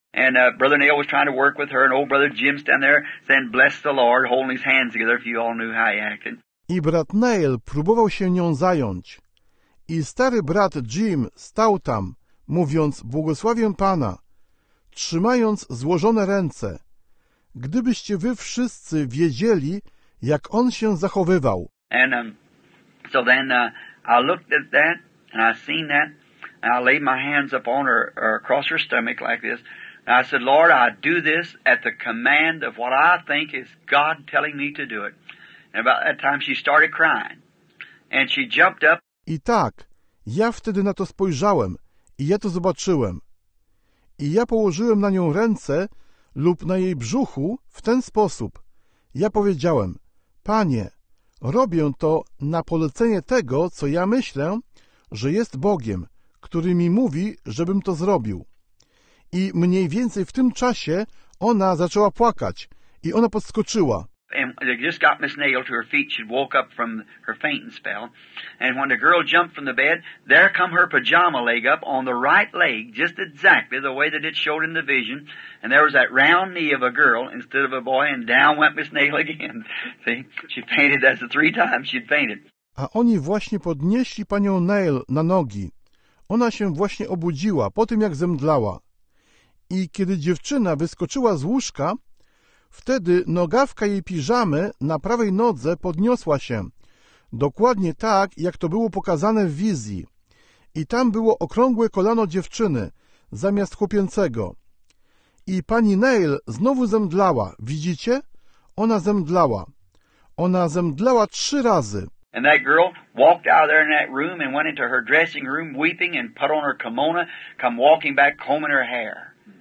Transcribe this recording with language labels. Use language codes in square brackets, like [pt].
[en] And Brother Neal was trying to work with her, and old Brother Jim stand there saying, bless the Lord, holding his hands together, if you all knew how he acted. [pl] I brat Neal próbował się nią zająć. I stary brat Jim stał tam, mówiąc, błogosławię Pana, trzymając złożone ręce. Gdybyście wy wszyscy wiedzieli, jak on się zachowywał. [en] And so then I looked at that, and I seen that, and I laid my hands up on her, or across her stomach like this, and I said, Lord, I do this at the command of what I think is God telling me to do it. And about that time she started crying, and she jumped up. [pl] I tak, ja wtedy na to spojrzałem, i ja to zobaczyłem. I ja położyłem na nią ręce lub na jej brzuchu w ten sposób. Ja powiedziałem, Panie, robię to na polecenie tego, co ja myślę, że jest Bogiem, który mi mówi, żebym to zrobił. I mniej więcej w tym czasie ona zaczęła płakać i ona podskoczyła. [en] And they just got Miss Neal to her feet. She woke up from her fainting spell. And when the girl jumped from the bed, there come her pajama leg up on the right leg, just exactly the way that it showed in the vision. And there was that round knee of a girl instead of a boy, and down went Miss Neal again. See, she fainted. That's the three times she'd fainted. [pl] a oni właśnie podnieśli panią Neil na nogi. Ona się właśnie obudziła po tym, jak zemdlała. I kiedy dziewczyna wyskoczyła z łóżka, wtedy nogawka jej piżamy na prawej nodze podniosła się, dokładnie tak, jak to było pokazane w wizji. I tam było okrągłe kolano dziewczyny zamiast chłopięcego. I pani Neil znowu zemdlała. Widzicie? Ona zemdlała. Ona zemdlała 3 razy. [en] And that girl walked out of there in that room and went into her dressing room weeping and put on her kimono, come walking back combing her hair.